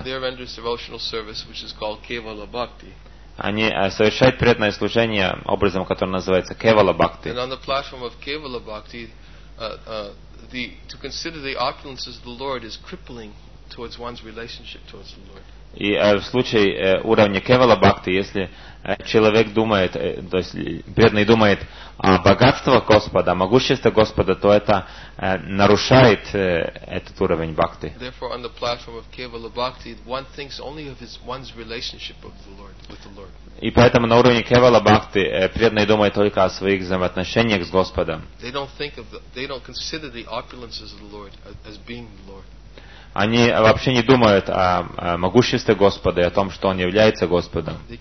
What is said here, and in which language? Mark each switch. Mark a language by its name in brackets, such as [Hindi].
[English] They render devotional service, which is called Kevala Bhakti. [Russian] Они совершают преданное служение образом, который называется Кевала Бхакти. [English] And on the platform of Kevala Bhakti, to consider the opulences of the Lord is crippling towards one's relationship towards the Lord. [Russian] И в случае уровня Кевала Бхакти, если человек думает, то есть преданный думает о богатстве Господа, могуществе Господа, то это нарушает этот уровень Бхакти. [English] Therefore, on the platform of Kevala Bhakti, one thinks only of one's relationship of the Lord, with the Lord. [Russian] И поэтому на уровне Кевала Бхакти преданный думает только о своих взаимоотношениях с Господом. [English] They don't consider the opulences of the Lord as being the Lord. [Russian] Они вообще не думают о могуществе Господа и о том, что Он является Господом.